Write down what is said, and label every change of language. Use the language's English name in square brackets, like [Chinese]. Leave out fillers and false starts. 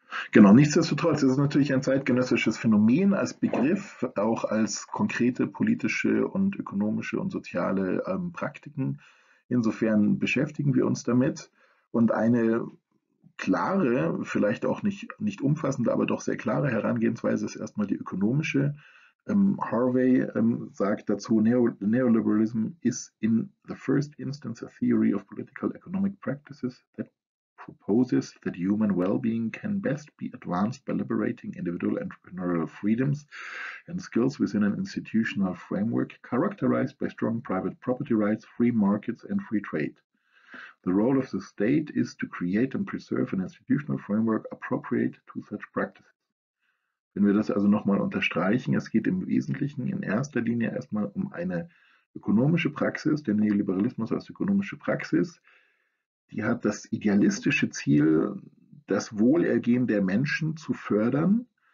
[German] Genau, nichtsdestotrotz ist es natürlich ein zeitgenössisches Phänomen als Begriff, auch als konkrete politische und ökonomische und soziale Praktiken. Insofern beschäftigen wir uns damit. Und eine klare, vielleicht auch nicht umfassende, aber doch sehr klare Herangehensweise ist erstmal die ökonomische. Harvey sagt dazu: [English] Neoliberalism is in the first instance a theory of political economic practices that proposes that human well-being can best be advanced by liberating individual entrepreneurial freedoms and skills within an institutional framework characterized by strong private property rights, free markets and free trade. The role of the state is to create and preserve an institutional framework appropriate to such practices. [German] Wenn wir das also nochmal unterstreichen, es geht im Wesentlichen in erster Linie erstmal um eine ökonomische Praxis, der Neoliberalismus als ökonomische Praxis. Die hat das idealistische Ziel, das Wohlergehen der Menschen zu fördern.